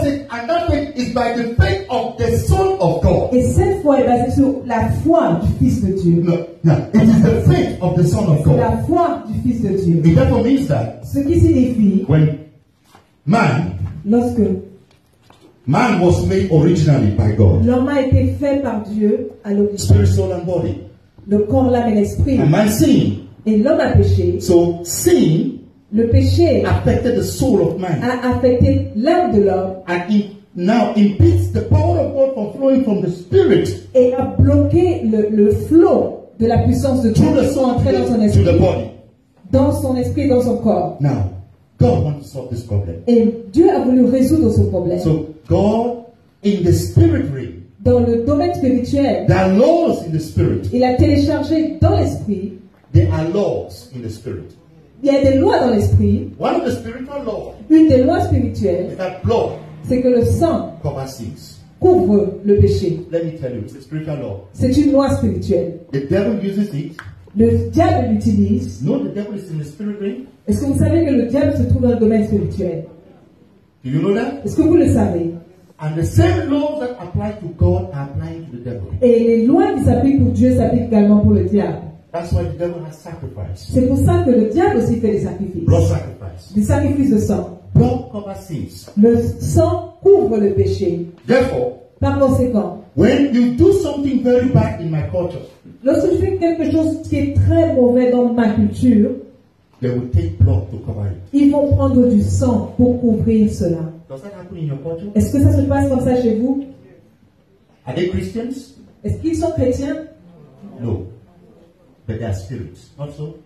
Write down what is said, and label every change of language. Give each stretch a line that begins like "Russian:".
English: And that faith is by the faith of the Son of God.
French: Et cette foi est basée sur la foi du Fils de Dieu.
English: No, no. It is the faith of the Son of God.
French: La foi du Fils de Dieu.
English: It therefore means that.
French: Ce qui signifie.
English: When man.
French: Lorsque.
English: Man was made originally by God.
French: L'homme a été fait par Dieu à l'origine.
English: Spirit, soul, and body.
French: Le corps, l'âme et l'esprit.
English: And man sinned.
French: Et l'homme a péché.
English: So sin.
French: Le péché
English: affected the soul of man.
French: A affecté l'âme de l'homme.
English: And it now impedes the power of God from flowing from the Spirit.
French: Et a bloqué le flot de la puissance de Dieu qui sont entrés dans son esprit.
English: To the body.
French: Dans son esprit, dans son corps.
English: Now, God wants to solve this problem.
French: Et Dieu a voulu résoudre ce problème.
English: So God, in the spirit realm,
French: dans le domaine spirituel,
English: downloads in the spirit.
French: Il a téléchargé dans l'esprit.
English: There are laws in the spirit.
French: Il y a des lois dans l'esprit.
English: One of the spiritual laws.
French: Une des lois spirituelles.
English: Is that blood.
French: C'est que le sang.
English: Covers sins.
French: Couvre le péché.
English: Let me tell you, it's a spiritual law.
French: C'est une loi spirituelle.
English: The devil uses it.
French: Le diable l'utilise.
English: No, the devil is in the spirit realm.
French: Est-ce que vous savez que le diable se trouve dans le domaine spirituel?
English: Do you know that?
French: Est-ce que vous le savez?
English: And the same laws that apply to God are applying to the devil.
French: Et les lois qui s'appliquent pour Dieu s'appliquent également pour le diable.
English: That's why the devil has sacrificed.
French: C'est pour ça que le diable aussi fait des sacrifices.
English: Blood sacrifice.
French: Des sacrifices de sang.
English: Blood covers sins.
French: Le sang couvre le péché.
English: Therefore,
French: par conséquent,
English: when you do something very bad in my culture,
French: lorsque je fais quelque chose qui est très mauvais dans ma culture,
English: they will take blood to cover it.
French: Ils vont prendre du sang pour couvrir cela.
English: Does that happen in your culture?
French: Est-ce que ça se passe comme ça chez vous?
English: Are they Christians?
French: Est-ce qu'ils sont chrétiens?
English: No. But they are spirits, not so.